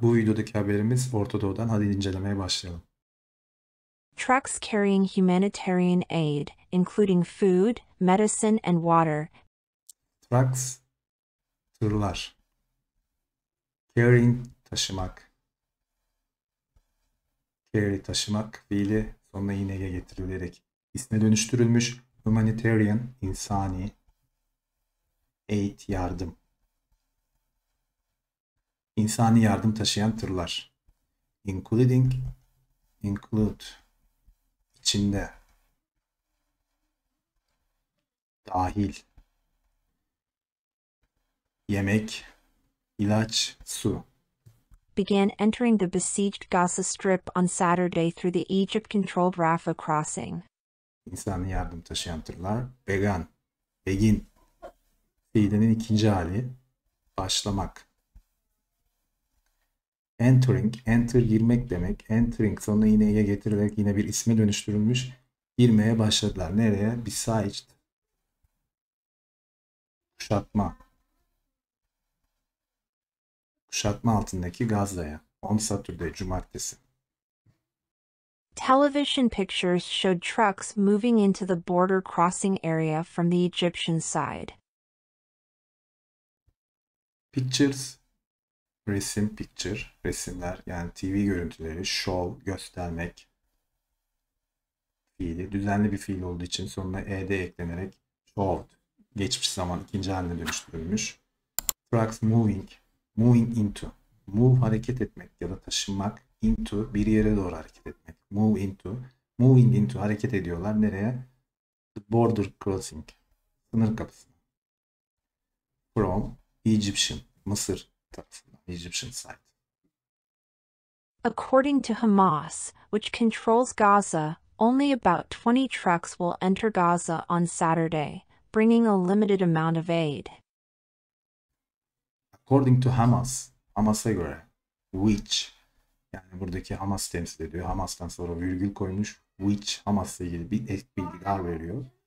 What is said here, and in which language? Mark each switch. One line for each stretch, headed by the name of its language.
Turkish: Bu videodaki haberimiz Orta Doğu'dan. Hadi incelemeye başlayalım.
English: Trucks carrying humanitarian aid, including food, medicine and water.
Turkish: Trucks, tırlar. Carrying, taşımak. Carry, taşımak fiili sonuna ing getirilerek isme dönüştürülmüş. Humanitarian, insani. Aid, yardım. İnsani yardım taşıyan tırlar. Including, include, içinde, dahil, yemek, ilaç, su.
English: Began entering the besieged Gaza Strip on Saturday through the Egypt-controlled Rafah crossing.
Turkish: İnsani yardım taşıyan tırlar. Began, begin, fiilinin ikinci hali, başlamak. Entering, enter girmek demek. Entering sonuna ing'e getirerek yine bir isme dönüştürülmüş. Girmeye başladılar. Nereye? Besieged. Kuşatma. Kuşatma altındaki Gazze'ye. On Saturday, cumartesi.
English: Television pictures showed trucks moving into the border crossing area from the Egyptian side. Pictures.
Turkish: Resim, picture, resimler, yani TV görüntüleri, show, göstermek fiili, düzenli bir fiil olduğu için sonuna ed eklenerek showed, geçmiş zaman ikinci haline dönüştürülmüş. Trucks moving, moving into, move hareket etmek ya da taşınmak, into bir yere doğru hareket etmek, move into, moving into hareket ediyorlar, nereye? The border crossing, sınır kapısı. From Egyptian, Mısır tarafı. Egyptian side.
English: According to Hamas, which controls Gaza, only about 20 trucks will enter Gaza on Saturday, bringing a limited amount of aid. According to Hamas,
Turkish: Hamas'a göre, which, yani buradaki Hamas temsil ediyor, Hamas'tan sonra virgül koymuş, which Hamas'la ilgili bir ek bilgi daha veriyor.